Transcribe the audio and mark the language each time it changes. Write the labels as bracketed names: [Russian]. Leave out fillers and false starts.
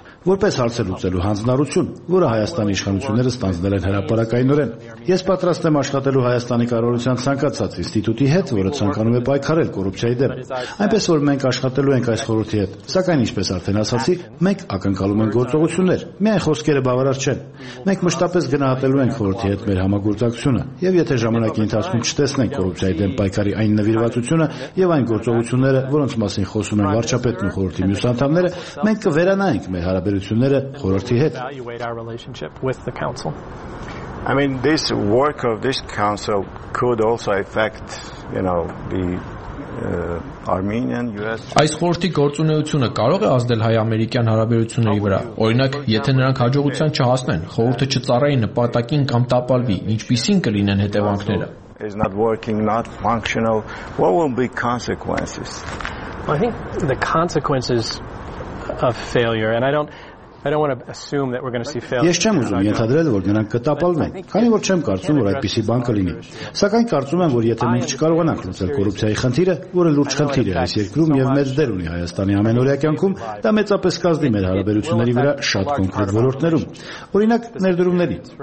[Armenian] որպես հարցեր լուծելու հանձնարարություն, որը Հայաստանի իշխանությունները ստանձնել են հրապարակայնորեն։ Ես պատրաստ եմ աշխատելու Հայաստանի կառավարության ցանկացած ինստիտուտի հետ, որը ցանկանում է պայքարել կոռուպցիայի դեմ։ Այնպես որ մենք աշխատելու ենք այս խորհրդի հետ, սակայն ինչպես արդեն ասացի, մենք ակնկալում ենք գործողություններ, միայն խոսքերը բավարար չեն։ Մենք մշտապես գնահատելու ենք խորհրդի հետ մեր համագործակցությունը, եւ եթե ժամանակի ընթացքում չտեսնենք կոռուպցիայի դեմ պայքարի այն նվիրվածությունը եւ այն գործողությունները, որոնց մասին խոսում են վարչապետն ու խորհրդի մյուս անդամները, մենք կվերանայենք մեր հարաբերությունները խորհրդի հետ։ [English] I mean, this work of this council could also affect, the Armenian-US. [Armenian] Այս խորհրդի գործունեությունը կարող է ազդել հայ-ամերիկյան հարաբերությունների վրա։ Օրինակ, եթե նրանք հաջողության չհասնեն, խորհուրդը չծառայի նպատակին կամ տապալվի, ինչպիսին կլինեն հետևանքները։ [English] Is not working, not functional. What will be consequences? I think the consequences of failure, and I don't want to assume that we're going to see failure. [Armenian] Ես չեմ ուզում ենթադրել, որ նրանք կտապալվեն, քանի որ չեմ կարծում, որ այդպիսի բան կլինի։ Սակայն կարծում եմ, որ եթե մենք չկարողանանք լուծել կոռուպցիայի խնդիրը, որը լուրջ խնդիր է այս երկրում եւ մեծ դեր ունի Հայաստանի ամենօրյա կյանքում, դա մեծապես կազդի մեր հարաբերությունների վրա շատ կոնկրետ ոլորտներում։ Օրինակ, ներդրումների։